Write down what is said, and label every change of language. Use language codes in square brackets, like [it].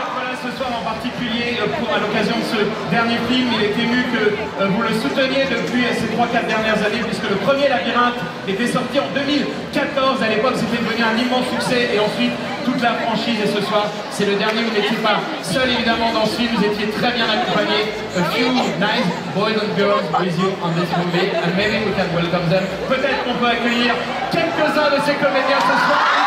[fr] Pour, à l'occasion de ce dernier film, il est ému que vous le souteniez depuis ces 3-4 dernières années, puisque le premier Labyrinthe était sorti en 2014. À l'époque, c'était devenu un immense succès, et ensuite toute la franchise. Et ce soir, c'est le dernier. Vous n'étiez pas seul, évidemment, dans ce film. Vous étiez très bien accompagné. [en] A few nice boys and girls with you on this movie, and maybe we can welcome them. [fr] Peut-être qu'on peut accueillir quelques-uns de ces comédiens ce soir.